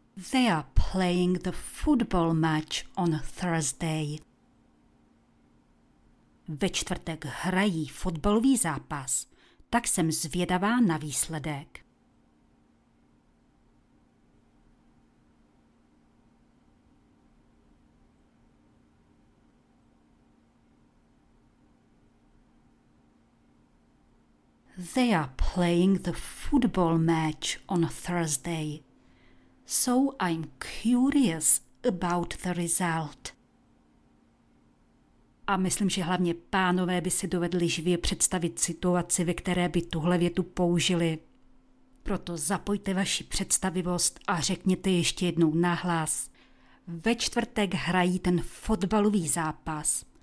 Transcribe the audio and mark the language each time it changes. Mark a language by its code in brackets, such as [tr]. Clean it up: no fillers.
[en] They are playing the football match on Thursday. [cs] Ve čtvrtek hrají fotbalový zápas, tak jsem zvědavá na výsledek. [en] They are playing the football match on Thursday, so I'm curious about the result. [cs] A myslím, že hlavně pánové by si dovedli živě představit situaci, ve které by tuhle větu použili. Proto zapojte vaši představivost a řekněte ještě jednou nahlas. Ve čtvrtek hrají ten fotbalový zápas.